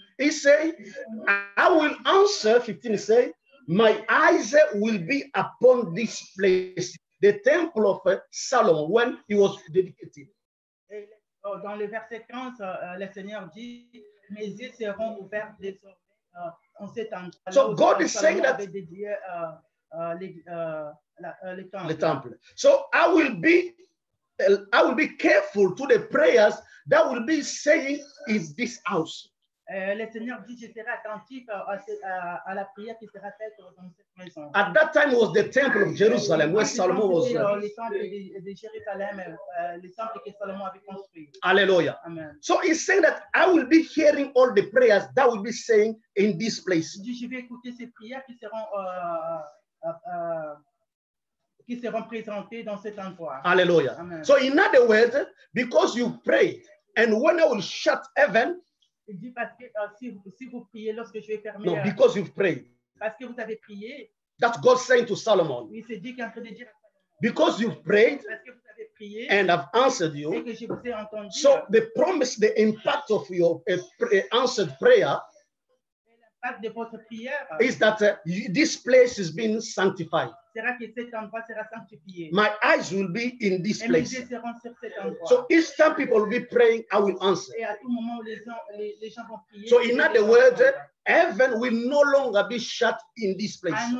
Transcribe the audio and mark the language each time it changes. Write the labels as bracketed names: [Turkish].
[English] He say, I will answer, 15 say, my eyes will be upon this place, the temple of Solomon, when he was dedicated. [French] Dans le verset 15, le Seigneur dit, mes yeux seront ouverts désormais en cet endroit. [English] So God is saying that, [French] le temple. [English] So I will be careful to the prayers that will be saying is this house. [French] Le Seigneur dit, je serai attentif à la prière qui sera faite dans cette maison. [English] At that time was the temple of Jerusalem where Solomon was. [French] Le temple de Jérusalem, le temple que Salomon avait construit. Alléluia. Amen. [English] So he's saying that I will be hearing all the prayers that will be saying in this place. [French] Je vais écouter ces prières qui seront présentées dans cet endroit. Alléluia. Amen. [English] So in other words, because you pray, and when I will shut heaven. [French] Il dit parce que si vous priez lorsque je vais fermer. [English] No, because you've prayed. [French] Parce que vous avez prié. [English] That God saying to Solomon. [French] Il s'est dit qu'en train de dire. [English] Because you've prayed. [French] Parce que vous avez prié. [English] And I've answered you. [French] Et que je vous ai entendu. [English] So the promise, the impact of your answered prayer. [French] L'impact de votre prière. [English] Is that this place is being sanctified. [French] Sera que cet endroit sera sanctifié. [English] My eyes will be in this [French] et [English] place. [French] Mes yeux seront sur cet endroit. [English] So each time people will be praying, I will answer. [French] Et à tout moment, les gens vont prier. [English] So in other words, Heaven will no longer be shut in this place.